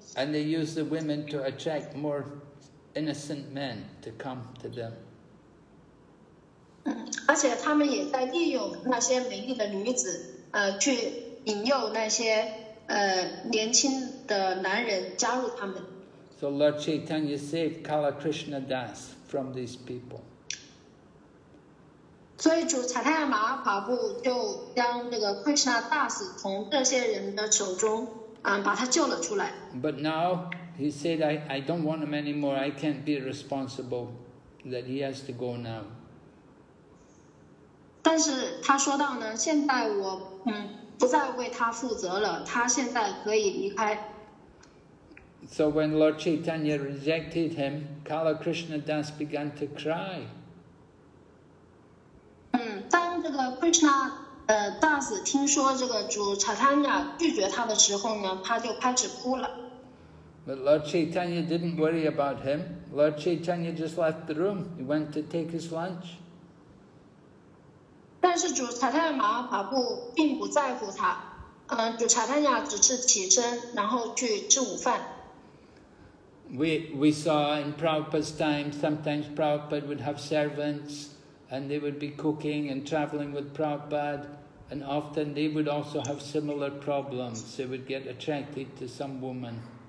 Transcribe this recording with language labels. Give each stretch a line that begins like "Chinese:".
English: And they used the women to attract more innocent men to come to them.
Chinese: 而且他们也在利用那些美丽的女子，去引诱那些年轻的男人加入他们。
English: So Lord Chaitanya saved Kala Krishna Das from these people.
Chinese: 所以主采塔亚玛哈帕布就将这个 Krishna Das 从这些人的手中，把他救了出来。
English: But now he said, I don't want him anymore. I can't be responsible. That he has to go now.
Chinese: 但是他说到呢，现在我不再为他负责了，他现在可以离开。
English: So when Lord Chaitanya rejected him, Kala Krishna Das began to cry.
Chinese: 当这个 Krishna Das 听说这个主 Chaitanya 拒绝他的时候呢，他就开始哭了。
English: But Lord Chaitanya didn't worry about him. Lord Chaitanya just left the room. He went to take his lunch.
Chinese: 但是主查坦亚马哈帕布并不在乎他，主查坦亚只是起身然后去吃午饭。
English: We saw in Prabhupada's time, sometimes Prabhupada would have servants and they would be cooking and traveling with Prabhupada, and often they would also have similar problems. They would get attracted to some woman.